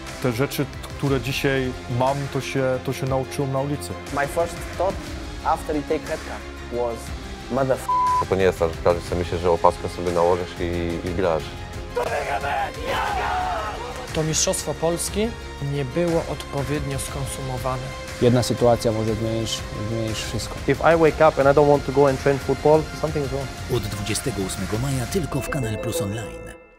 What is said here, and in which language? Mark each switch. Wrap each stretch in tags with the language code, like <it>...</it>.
<pl>Te rzeczy, które dzisiaj mam, to się nauczyłem na ulicy.</pl> <en>My first thought after you take headcap was motherfucker.</en> <pl>To nie jest tak, że każdy sobie myśli, że opaskę sobie nałożysz i grasz. To mistrzostwo Polski nie było odpowiednio skonsumowane. Jedna sytuacja może zmienić wszystko.</pl> <en>If I wake up and I don't want to go and train football, something is wrong.</en> <pl>Od 28 maja tylko w Canal Plus Online.</pl>